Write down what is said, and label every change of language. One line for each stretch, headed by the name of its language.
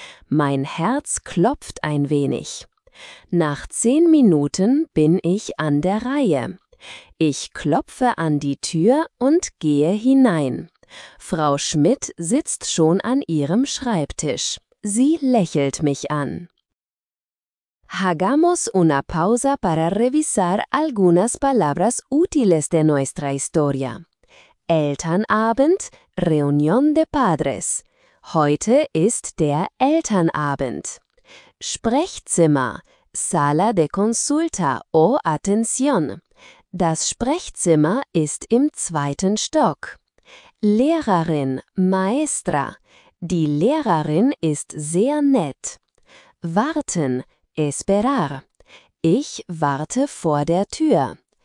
German: Mein Herz klopft ein wenig. Nach 10 Minuten bin ich an der Reihe. Ich klopfe an die Tür und gehe hinein. Frau Schmidt sitzt schon an ihrem Schreibtisch. Sie lächelt mich an.
Spanish: Hagamos una pausa para revisar algunas palabras útiles de nuestra historia.
German: Elternabend,
Spanish: Reunión de Padres.
German: Heute ist der Elternabend. Sprechzimmer,
Spanish: Sala de Consulta o Atención.
German: Das Sprechzimmer ist im zweiten Stock. Lehrerin,
Spanish: Maestra.
German: Die Lehrerin ist sehr nett. Warten,
Spanish: Esperar.
German: Ich warte vor der Tür.